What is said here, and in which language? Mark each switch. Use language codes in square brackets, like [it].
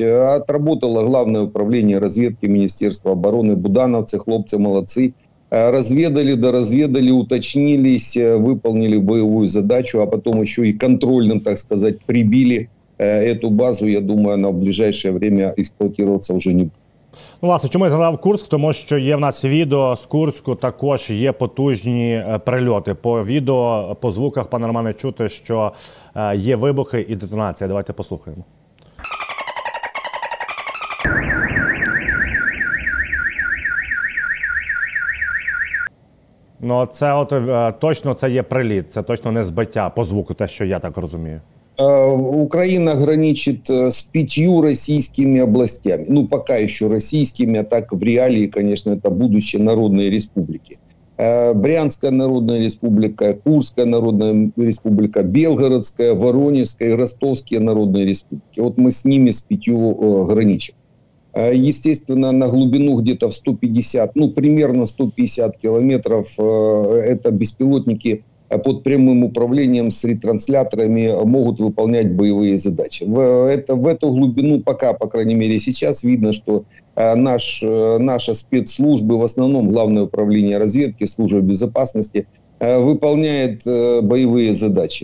[ru] Отработало Главное управление разведки Министерства обороны, будановцы, хлопцы, молодцы. Разведали, доразведали, уточнились, выполнили боевую задачу, а потом еще и контрольным, так сказать, прибили. Эту базу, я думаю, на ближайшее время эксплуатироваться уже не будет. [uk] Ну, власне, чому я згадав Курск? Тому що є в нас відео з Курську, також є потужні прильоти. По відео, по звуках, пане Романе, чути, що є вибухи і детонація. Давайте послухаємо. Ну, це от точно це є приліт, це точно не збиття по звуку, те, що я так розумію. [ru] Україна граничит с 5 російськими областями. Ну, пока еще російськими, а так в реалії, конечно, это будущее народної республіки. [uk] Брянська народна республіка, Курська народна республіка, Белгородська, Воронежська і Ростовські народні республіки. От ми з ними з 5 граничим. [ru] Естественно, на глубину где-то в 150, ну, примерно 150 км это беспилотники под прямым управлением с ретрансляторами могут выполнять боевые задачи. В эту глубину пока, по крайней мере, сейчас видно, что наша спецслужба, в основном Главное управление разведки, служба безопасности, выполняет боевые задачи.